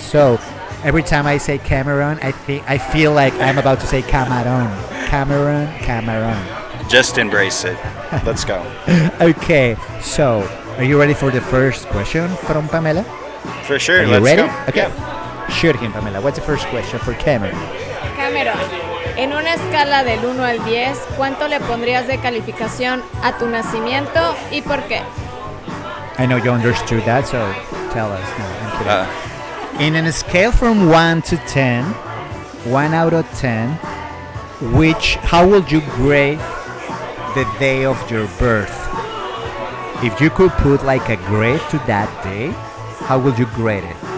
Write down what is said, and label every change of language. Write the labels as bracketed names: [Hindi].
[English] So every time I say Cameron, I feel like I'm about to say Camarón. Cameron, Camarón. Just embrace it. Let's go. Okay, so are you ready for the first question from Pamela? For sure, are you let's ready? Go. Okay. Yeah. Shoot him, Pamela. What's the first question for Cameron? [Spanish] Cameron, en una escala del 1 al 10, ¿cuánto le pondrías de calificación a tu nacimiento y por qué? [English] I know you understood that, so tell us. No, I'm kidding. In a scale from 1 to 10, 1 out of 10, how would you grade the day of your birth? If you could put like a grade to that day, how would you grade it?